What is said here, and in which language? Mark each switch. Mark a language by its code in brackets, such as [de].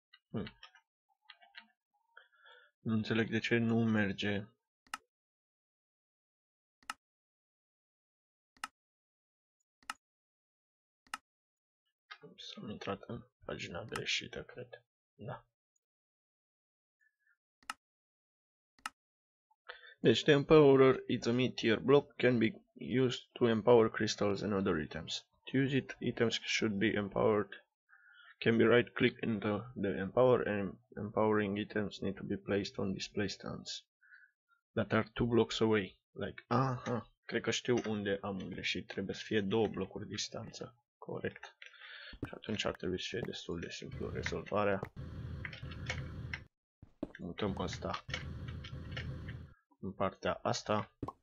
[ro] Nu înțeleg de ce nu merge. S-am intrat în pagina greșită, cred. Da. [en] Deci, the empowerer is a mid-tier block, can be used to empower crystals and other items. To use it, items should be empowered Can be right click into the empower and empowering items need to be placed on display stands that are 2 blocks away. [ro] Like, aha, cred că știu unde am greșit, trebuie să fie 2 blocuri distanță. Corect. Și atunci ar trebui să fie destul de simplu rezolvarea. Mutăm asta în partea asta.